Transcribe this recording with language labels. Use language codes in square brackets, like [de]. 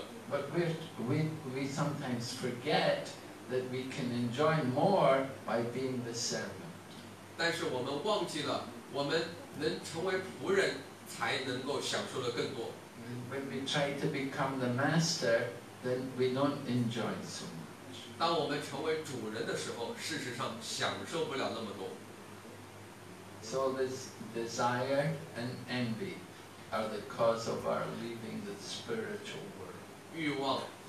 [en] But we sometimes forget that we can enjoy more by being the servant. [zh] 但是我们忘记了，我们能成为仆人，才能够享受的更多。 [en] When we try to become the master, then we don't enjoy so much. [zh] 当我们成为主人的时候，事实上享受不了那么多。 [en] So this desire and envy are the cause of our leaving the spiritual world.